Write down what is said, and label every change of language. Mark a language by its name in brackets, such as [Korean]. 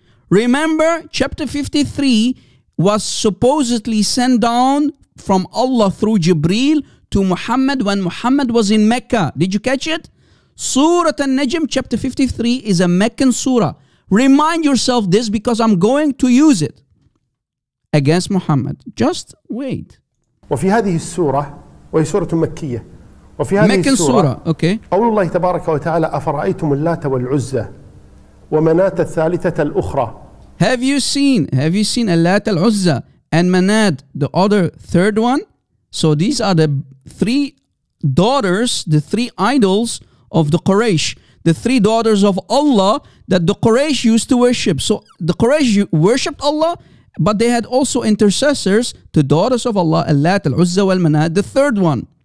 [English] Remember, chapter 53 was supposedly sent down from Allah through Jibreel to Muhammad when Muhammad was in Mecca. Did you catch it? Surah An-Najm, chapter 53, is a Meccan surah. Remind yourself this because I'm going to use it against Muhammad. Just wait. [Arabic] وفي هذه السورة وهي سورة مكية وفي هذه [English] Meccan [Arabic] السورة [English] okay. [Arabic] قول الله تبارك وتعالى أفرأيتم اللات والعزة ومنات الثالثة الأخرى. [English] Have you seen اللات العزة and منات the other third one? So these are the three daughters, the three idols of the Quraysh, the three daughters of Allah that the Quraysh used to worship. So the Quraysh worshipped Allah, but they had also intercessors to daughters of Allah, Allat, Al-Uzza, Al-Manat, the third one.